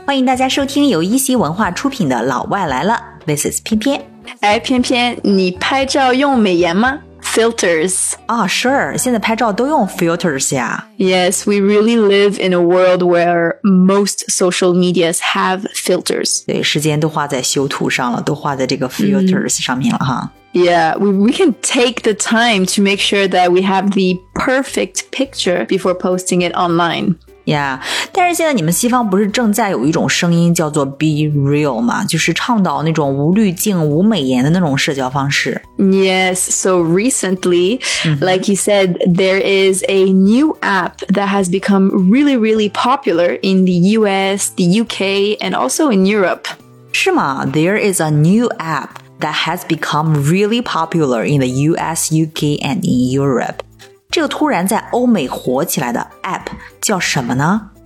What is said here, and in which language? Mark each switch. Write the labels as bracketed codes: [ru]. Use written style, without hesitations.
[zh] 欢迎大家收听由一席文化出品的老外来了。 [en] This is 翩翩。 [zh] 哎，翩翩，你拍照用美颜吗？ [en] Filters. Ah, sure. [zh] 现在拍照都用 filters 呀。 [en] Yes, we really live in a world where most social medias have filters. [zh] 对，时间都花在修图上了，都花在这个 filters 上面了哈。 [en] Yeah, we can take the time to make sure that we have the perfect picture before posting it online. [zh] Yeah, 但是现在你们西方不是正在有一种声音叫做 be real 吗？就是倡导那种无滤镜、无美颜的那种社交方式。 [en] Yes, so recently,、mm-hmm. like you said, there is a new app that has become really, really popular in the US, the UK, and also in Europe. [zh] 是吗？ [en] There is a new app that has become really popular in the US, UK, and in Europe. [zh] 这个突然在欧美火起来的 app 叫什么呢？